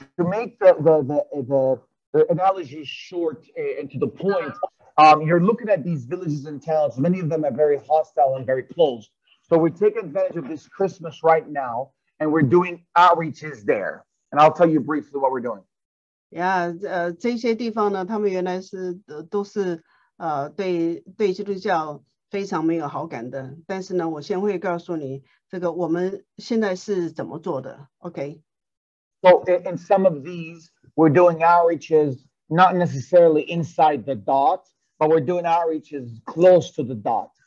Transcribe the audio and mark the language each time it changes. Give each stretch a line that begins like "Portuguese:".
English: make the analogy short and to the point, you're looking at these villages and towns. Many of them are very hostile and very closed. So we take advantage of this Christmas right now, and we're doing outreaches there. And I'll tell you briefly what we're doing.
Chinese: Yeah,这些地方呢，他们原来是都是对基督教非常没有好感的。但是呢，我先会告诉你这个我们现在是怎么做的。Okay.
English: So in some of these, we're doing outreaches not necessarily inside the dot, but we're doing outreaches close to the dot.